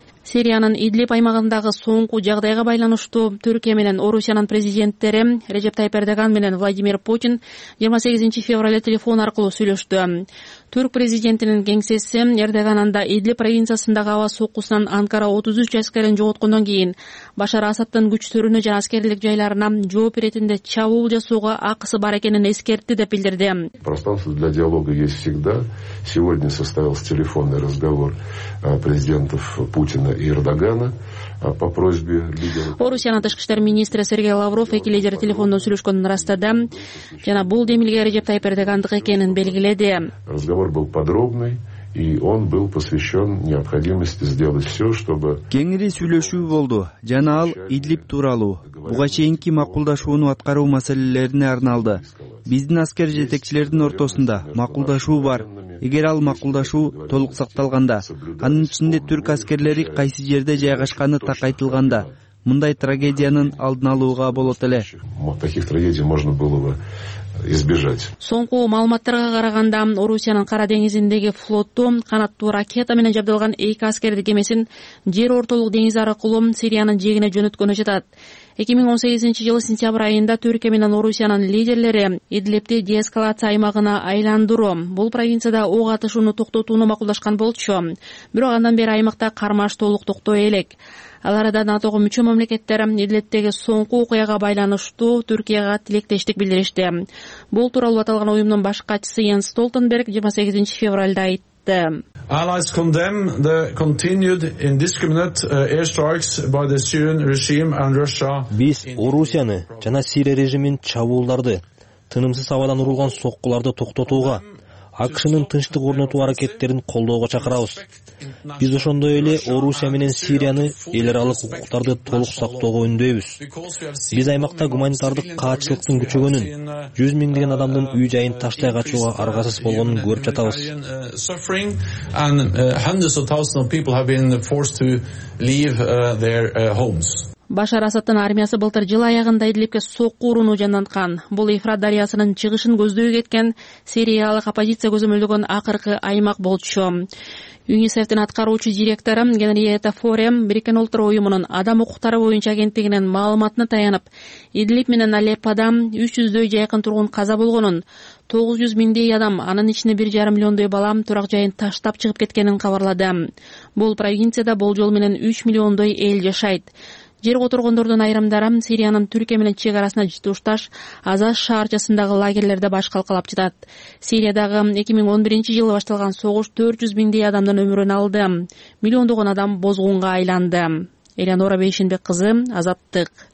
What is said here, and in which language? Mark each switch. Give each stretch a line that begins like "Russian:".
Kyrgyz: Сириянын Идлиб аймагындагы соңку жагдайга байланыштуу Түркия менен Орусиянын президенттери Режеп Тайип Эрдоган менен Владимир Путин 28 февраля телефон аркылуу сүйлөштү. Түрк президентинин кеңсеси Эрдоган анда Идлиб провинциясындагы аба соккусунан Анкара 33 аскерин жоготкондон кийин Башар Асадтын күчтөрүнө жана аскерлик жайларына жооп иретинде чабуул жасоого акысы бар экенин эскертти деп билдирди.
Russian: Пространство для диалога есть всегда. Сегодня состоялся телефонный разговор президентов Путина и Эрдогана. По просьбе лидеров.
Kyrgyz: Орусиянын тышкы иштер министри Сергей Лавров эки лидер телефондон сүйлөшкөнүн ырастады жана бул демилге Режеп Тайип Эрдогандык экенин белгиледи.
Russian: Разговор был подробный. И он был посвящен необходимости сделать все, чтобы...
Kyrgyz: Кеңири сүйлөшүү болду жана ал Идлиб тууралуу буга чейинки макулдашууну аткаруу маселелерине арналды. Биздин аскер жетекчилердин ортосунда макулдашуу бар. Эгер ал макулдашуу толук сакталганда, анын ичинде түрк аскерлери кайсы жерде жайгашканы так айтылганда, мындай трагедиянын алдын алууга болот эле.
Russian: Таких трагедий можно было бы избежать.
Kyrgyz: Соңку маалыматтарга караганда Орусиянын Кара деңизиндеги флоту канаттуу ракета менен жабдылган 2 аскердик кемесин жер ортолук деңиз аркылуу Сириянын жээгине жөнөткөнү жатат. 2018-жылы сентябрь айында Түркия менен Орусиянын лидерлери Идлибти деэскалация аймагына айландыруу, бул провинцияда ок атышууну токтотууну макулдашкан болчу. Бирок андан бери аймакта кармаш толук токтой элек. Ал арада НАТОго мүчө мамлекеттер Идлибтеги соңку окуяга байланыштуу Түркияга тилектештик билдиришти. Бул тууралуу аталган уюмдун баш катчысы Йенс Столтенберг 28 февралда айтты.
English: Allies condemn the continued indiscriminate airstrikes by the Syrian regime and Russia.
Kyrgyz: Биз Орусияны жана Сирия режимин чабуулдарды, тынымсыз абадан урулган соккуларды токтотууга, АКШнын тынчтык орнотуу аракеттерин колдоого чакырабыз. Биз ошондой эле Орусия менен Сирияны эл аралык укуктарды толук сактоого үндөйбүз. Биз аймакта гуманитардык каачылыктын күчөгөнүн, 100 000 адамдын үй жайын таштай качууга аргасыз болгонун көрүп жатабыз.
English: Hundreds of thousands of people have been forced to leave their homes.
Kyrgyz: Башар Асадтын армиясы былтыр жыл аягында Идлибке сокку урууну жандаткан. Бул Ефрат дарыясынын чыгышын көздөй кеткен сириялык оппозиция көзөмөлдөгөн акыркы аймак болчу. ЮНИСЕФтин аткаруучу директору Генриетта Форем Бириккен Улуттар Уюмунун адам укуктары боюнча агенттигинин маалыматына таянып, Идлиб менен Алеппода 300 жакын тургун каза болгонун, 900 миңдей адам, анын ичинде 1,5 миллиондой балам турак жайын таштап чыгып кеткенин кабарлады. Бул провинцияда болжол менен 3 миллиондой эл жашайт. Жер которгондордун айрымдары Сириянын Түркия менен чек арасына туташ Азаз шаарчасындагы лагерлерде баш калкалап жатат. Сириядагы 2011 жылы башталган согуш 400 миңдей адамдын өмүрүн алды. Миллиондогон адам бозгунга айланды. Элеонора Бейшенбек кызы, Азаттык.